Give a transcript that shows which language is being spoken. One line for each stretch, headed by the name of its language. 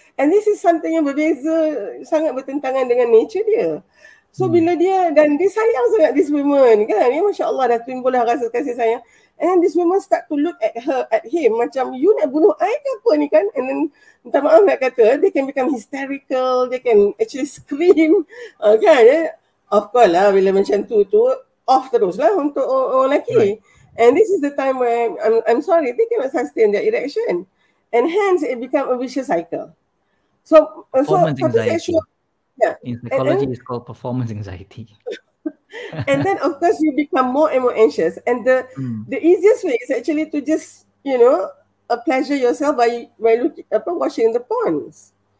Malay: And this is something yang berbeza, sangat bertentangan dengan nature dia. So bila dia, dan dia sayang sangat this woman kan. Ya, Masya Allah dah timbul lah rasa kasih sayang.
English: And then this woman start to look at her, at him macam you nak bunuh I ke apa ni kan. And then minta maaf nak kata, they can become hysterical, they can actually scream.
Malay: Kan? Yeah? Of course lah bila macam tu off terus lah untuk orang lelaki.
English: Right. And this is the time where I'm sorry, they cannot sustain their erection. And hence, it become a vicious cycle. So, performance anxiety. Yeah. In psychology, it's called performance anxiety. And then, of course, you become more and more anxious. And the easiest way is actually to just, you know, pleasure yourself by watching the porns.